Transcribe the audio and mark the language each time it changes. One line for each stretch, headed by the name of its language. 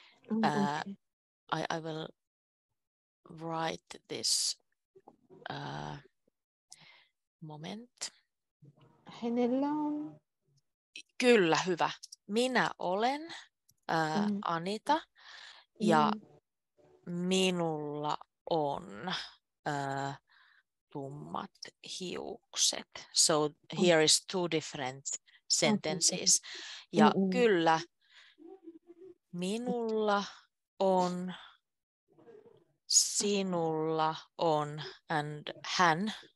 English: I will write this, moment.
Finnish: Hänellä on. Kyllä, hyvä. Minä olen Anita ja minulla on tummat hiukset.
English: So here is two different sentences.
Finnish: Ja kyllä, minulla on, sinulla on and hän.